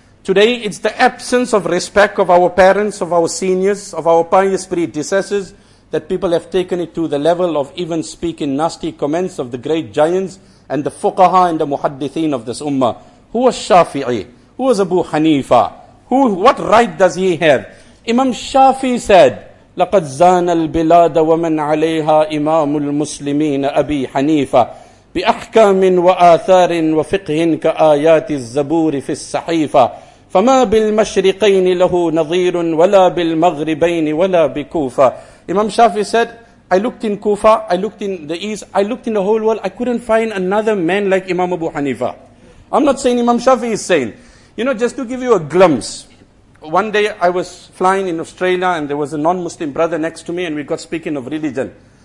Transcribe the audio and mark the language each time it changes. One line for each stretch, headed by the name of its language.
English: Today, it's the absence of respect of our parents, of our seniors, of our pious predecessors, that people have taken it to the level of even speaking nasty comments of the great giants and the fuqaha and the muhaddithin of this ummah. Who was Shafi'i? Who was Abu Hanifa? What right does he have? Imam Shafi said,
Arabic: لَقَدْ زَانَ الْبِلَادَ وَمَنْ عَلَيْهَا إِمَامُ الْمُسْلِمِينَ أَبِي حَنِيفَ بأحكام وآثار وفقه كآيات الزبور في الصحيفة فما بالمشرقين له نظير ولا بالمغربين ولا بكوفة.
English: Imam Shafi said, I looked in Kufa, I looked in the East, I looked in the whole world, I couldn't find another man like Imam Abu Hanifa. I'm not saying Imam Shafi is saying. You know, just to give you a glimpse, one day I was flying in Australia and there was a non-Muslim brother next to me and we got speaking of religion.